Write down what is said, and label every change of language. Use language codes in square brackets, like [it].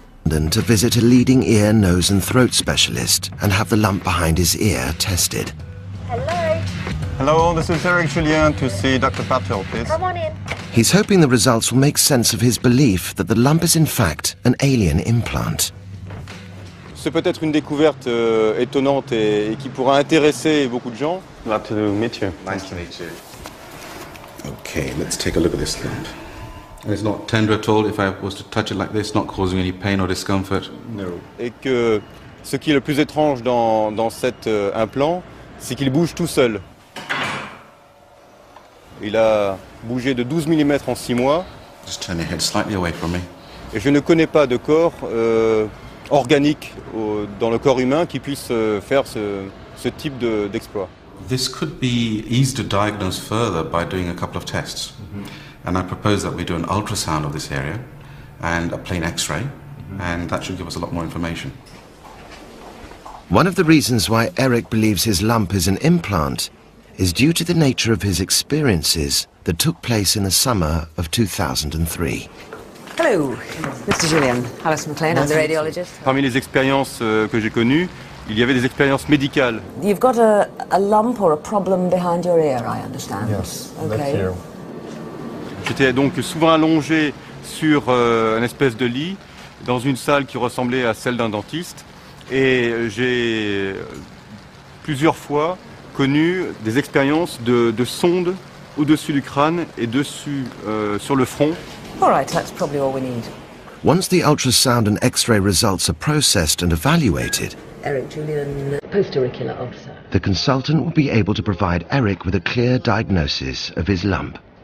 [en] Then to visit a leading ear, nose and throat specialist and have the lump behind his ear tested. Hello. Hello, this is Eric Julien to see Dr. Patel, please. Come on in. He's hoping the results will make sense of his belief that the lump is in fact an alien implant. [fr] C'est peut-être une découverte étonnante et qui pourra intéresser beaucoup de gens. [en] Glad to meet you. Nice to meet you. Okay, let's take a look at this lump. And it's not tender at all. If I was to touch it like this, not causing any pain or discomfort. No. [fr] Et que ce qui est le plus étrange dans cet implant, c'est qu'il bouge tout seul. Il a bougé de 12 mm en 6 mois. [en] Just turn your head slightly away from me. [fr] Et je ne connais pas de corps organique dans le corps humain qui puisse faire ce type d'exploit. [en] This could be easy to diagnose further by doing a couple of tests. Mm-hmm. And I propose that we do an ultrasound of this area and a plain x-ray, mm-hmm. and that should give us a lot more information. One of the reasons why Eric believes his lump is an implant is due to the nature of his experiences that took place in the summer of 2003. Hello, Mr. Julien. Alice McLean, I'm the radiologist. [fr] Parmi les expériences que j'ai connues, il y avait des expériences médicales. [en] You've got a lump or a problem behind your ear, I understand. Yes, okay. [fr] J'étais donc souvent allongé sur une espèce de lit dans une salle qui ressemblait à celle d'un dentiste. Et j'ai plusieurs fois connu des expériences de sondes au-dessus du crâne et dessus sur le front. [en] All right, that's probably all we need. Once the ultrasound and x-ray results are processed and evaluated, Eric Julien, post-auricular ultrasound, the consultant will be able to provide Eric with a clear diagnosis of his lump.